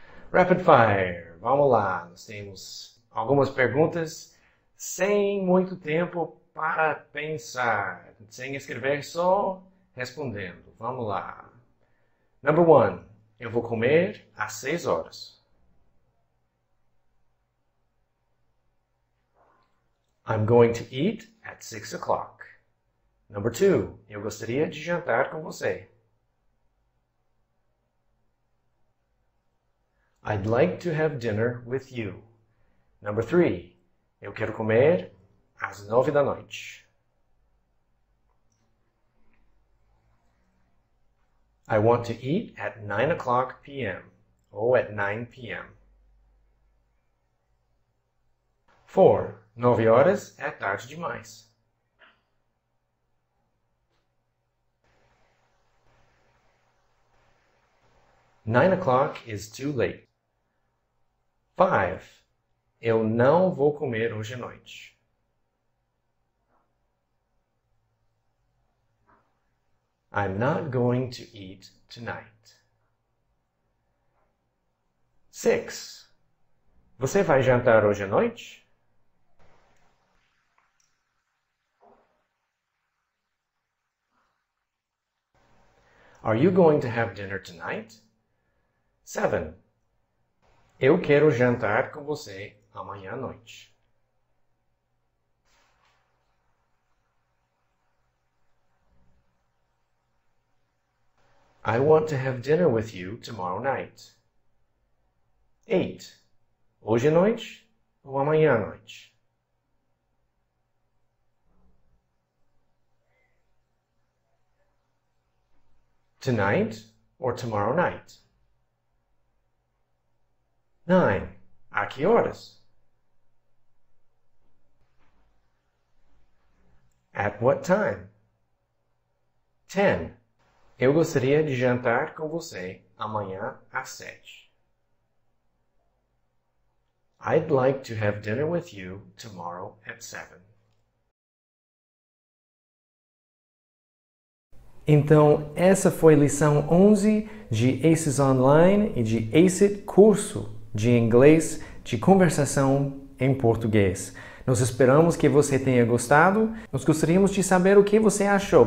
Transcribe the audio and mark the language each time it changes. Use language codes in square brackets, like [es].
[pt] Rapid fire, vamos lá. Nós temos algumas perguntas. Sem muito tempo para pensar, sem escrever, só respondendo. Vamos lá. [en] Number one, [pt] eu vou comer às 6 horas. [en] I'm going to eat at 6 o'clock. Number two, [pt] eu gostaria de jantar com você. [en] I'd like to have dinner with you. Number three, [pt] eu quero comer às 9 da noite. [en] I want to eat at 9 o'clock p.m. [pt] ou [en] at 9 p.m. [pt] 4. 9 horas é tarde demais. [en] Nine o'clock is too late. 5. [pt] Eu não vou comer hoje à noite. [en] I'm not going to eat tonight. 6. [pt] Você vai jantar hoje à noite? [en] Are you going to have dinner tonight? 7. [pt] Eu quero jantar com você amanhã à noite. [en] I want to have dinner with you tomorrow night. 8. [pt] Hoje à noite ou amanhã à noite? [en] Tonight or tomorrow night? [pt] 9. A que horas? [en] At what time? 10. [pt] Eu gostaria de jantar com você amanhã às 7. [en] I'd like to have dinner with you tomorrow at 7. [pt] Então, essa foi lição 11 de ACES Online e de ACES Curso de Inglês de Conversação em Português. Nós esperamos que você tenha gostado. Nós gostaríamos de saber o que você achou.